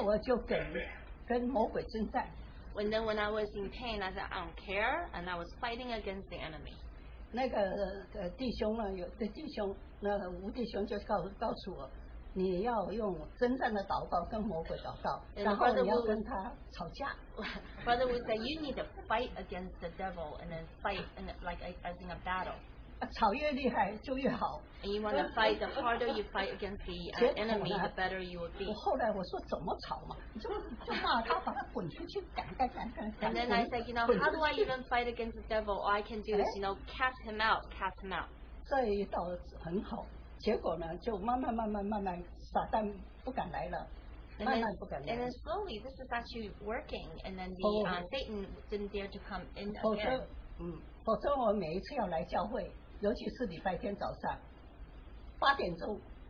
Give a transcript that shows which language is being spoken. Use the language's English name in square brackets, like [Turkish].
[Chinese] 然后痛的时候我也不管他，然后我就跟魔鬼征战。 [English] And then when I was in pain, I said, I don't care. And I was fighting against the enemy. [Chinese] 那个弟兄呢，有个弟兄，那个吴弟兄就告诉我。你要用真正的祷告跟魔鬼祷告，然后你要跟他吵架。 [English] Brother would say, you need to fight against the devil and then fight in the, like as in a battle. [Chinese] 吵越厉害就越好。 [English] And you want to fight, the harder you fight against the enemy, the better you will be. [Chinese] 后来我说怎么吵嘛， 就骂他，把他滚出去，赶。 [English] And then I said, you know, how do I even fight against the devil? All I can do is, you know, cast him out, cast him out. [Chinese] 这一道很好。结果呢，就慢慢撒旦不敢来了，慢慢不敢来。 [English] And then slowly, this is actually working, and then the Satan didn't dare to come in again. [Chinese] 否则我每一次要来教会，尤其是礼拜天早上，八点钟。